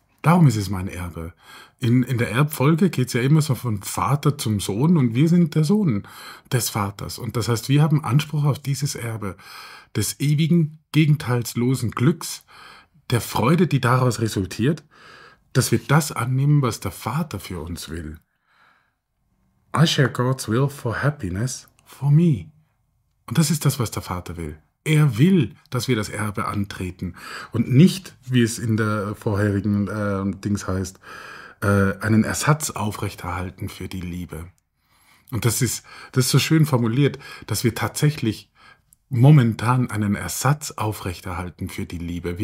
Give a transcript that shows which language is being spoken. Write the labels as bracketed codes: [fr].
[de] Darum ist es mein Erbe. In der Erbfolge geht es ja immer so von Vater zum Sohn und wir sind der Sohn des Vaters. Und das heißt, wir haben Anspruch auf dieses Erbe des ewigen, gegenteilslosen Glücks, der Freude, die daraus resultiert, dass wir das annehmen, was der Vater für uns will. [en] I share God's will for happiness for me. [de] Und das ist das, was der Vater will. Er will, dass wir das Erbe antreten und nicht, wie es in der vorherigen Dings heißt, einen Ersatz aufrechterhalten für die Liebe. Und das ist so schön formuliert, dass wir tatsächlich momentan einen Ersatz aufrechterhalten für die Liebe.